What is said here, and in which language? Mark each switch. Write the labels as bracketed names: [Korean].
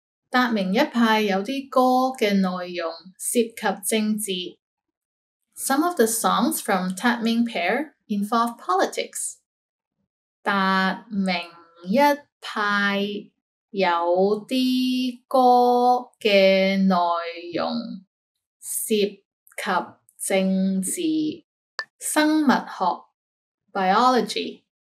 [Cantonese] 達明一派有啲歌嘅內容涉及政治。 [English] Some of the songs from 達明 pair involve politics. [Cantonese] 達明一派有啲歌嘅內容涉及政治。生物學 biology